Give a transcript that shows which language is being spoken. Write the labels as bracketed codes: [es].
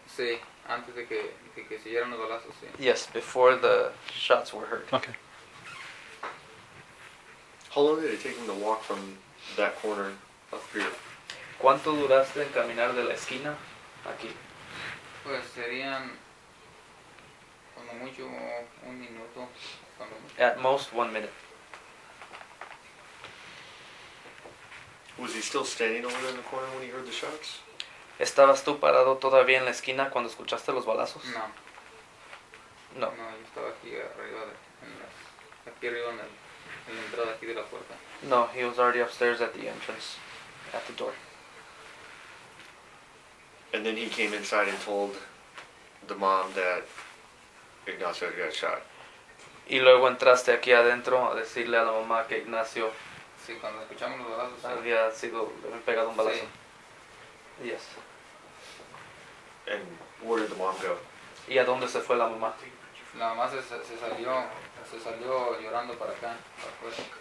[es] Sí, antes de que se dieran los balazos, sí. [en] Yes, before the shots were heard. Okay. How long did it take him to walk from that corner up here? [es] ¿Cuánto duraste en caminar de la esquina aquí? Pues serían cuando mucho un minuto. [en] At most 1 minute. Was he still standing over there in the corner when he heard the shots? [es] ¿Estabas tú parado todavía en la esquina cuando escuchaste los balazos? No. [en] No. [es] No, yo estaba aquí arriba, en la entrada aquí de la puerta. [en] No, he was already upstairs at the entrance, at the door. And then he came inside and told the mom that Ignacio had got shot. [es] Y luego entraste aquí adentro a decirle a la mamá que Ignacio sí, cuando escuchamos los balazos, había sido pegado un balazo. Sí. [en] Yes. And where did the mom go? [es] ¿Y a dónde se fue la mamá? La mamá se salió llorando para acá. Para